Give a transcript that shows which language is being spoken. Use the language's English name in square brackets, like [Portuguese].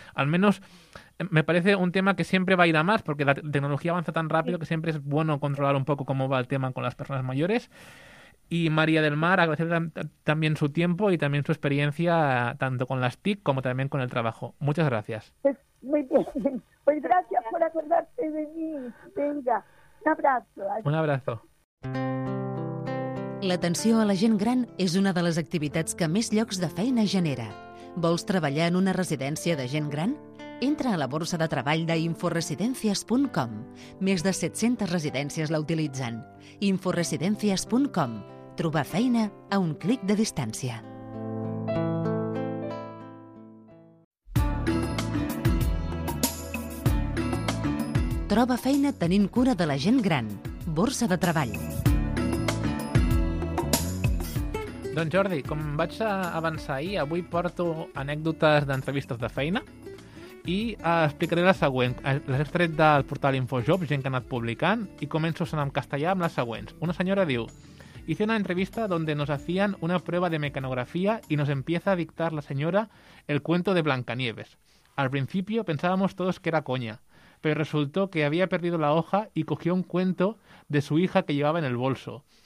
[Spanish] Al menos me parece un tema que siempre va a ir a más, porque la tecnología avanza tan rápido que siempre es bueno controlar un poco cómo va el tema con las personas mayores. Y María del Mar, agradecer también su tiempo y también su experiencia, tanto con las TIC como también con el trabajo. Muchas gracias. Muy bien. Pues gracias por acordarte de mí. Venga, un abrazo. Un abrazo. [Catalan] L'atenció a la gent gran és una de les activitats que més llocs de feina genera. Vols treballar en una residència de gent gran? Entra a la borsa de treball de inforesidencias.com. Més de 700 residències la utilitzen. Inforesidencias.com. Trobar feina a un clic de distància. Troba feina tenint cura de la gent gran. Borsa de treball. Doncs Jordi, com vaig avançar ahir, avui porto anècdotes d'entrevistes de feina i explicaré la següent. Les he tret del portal InfoJobs, gent que ha anat publicant, i començo en castellà amb les següents. Una senyora diu: [Spanish] hice una entrevista donde nos hacían una prueba de mecanografía y nos empieza a dictar la señora el cuento de Blancanieves. Al principio pensábamos todos que era coña, pero resultó que había perdido la hoja y cogió un cuento de su hija que llevaba en el bolso.